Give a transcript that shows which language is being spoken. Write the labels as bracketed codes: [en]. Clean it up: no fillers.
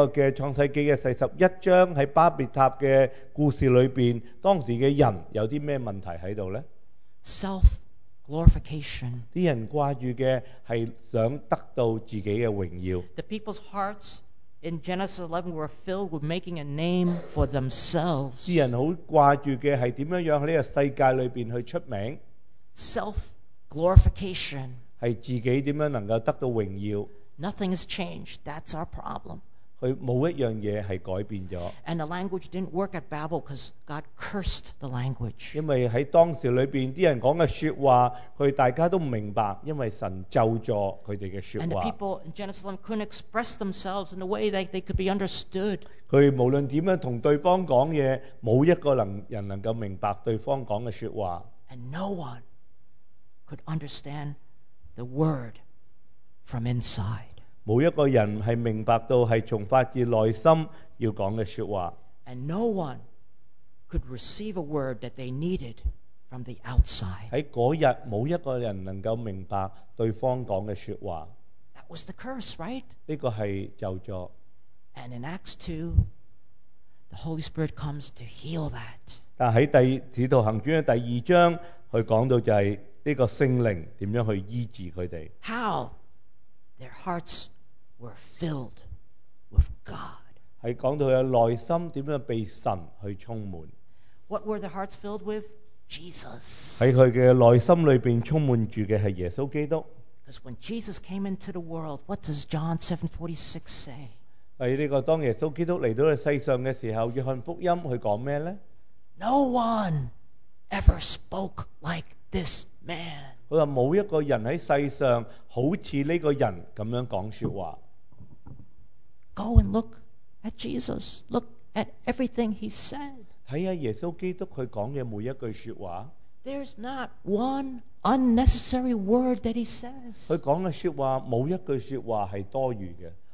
[zh] 在这个创世纪的41章, 在巴别塔的故事里面, 当时的人有什么问题在这里呢? [en] Self-glorification. [zh] 人们挂着的是想得到自己的荣耀. [en] The people's hearts in Genesis 11 were filled with making a name for themselves. [zh] 人们很挂着的是怎样在这个世界里面去出名. [en] Self-glorification. [zh] 是自己怎样能够得到荣耀. [en] Nothing has changed. That's our problem. [zh] 他没有一样东西是改变了. [en] And the language didn't work at Babel because God cursed the language. [zh] 因为在当时里面,人们说的说话, 他们大家都明白, 因为神咒了他们的说话. [en] And the people in Genesis 11 couldn't express themselves in a way that they could be understood. [zh] 他们无论怎样跟对方说话, 没有一个人能够明白对方说的说话. [en] And no one could understand the word from inside. [zh] 没有一个人是明白到是从发自内心要讲的说话. [en] And no one could receive a word that they needed from the outside. [zh] 在那天没有一个人能够明白对方讲的说话. [en] That was the curse, right? [zh] 这个是咒诅. [en] And in Acts 2, the Holy Spirit comes to heal that. [zh] 但在使徒行传的第二章, 他讲到就是, 这个圣灵怎么样去医治他们? [en] How? Their hearts were filled with God. [zh] 是讲到他内心怎样被神去充满。 [en] What were their hearts filled with? Jesus. [zh] 在他的内心里面充满着的是耶稣基督。 [en] Because when Jesus came into the world, what does John 7:46 say? [zh] 这个当耶稣基督来到世上的时候，约翰福音他讲什么呢？ [en] No one ever spoke like this man. [zh] 他说没有一个人在世上好像这个人这样讲说话。 [en] Go and look at Jesus. Look at everything he said. [zh] 看看耶稣基督他讲的每一句说话。 [en] There's not one unnecessary word that he says. [zh] 他讲的说话没有一句说话是多余的。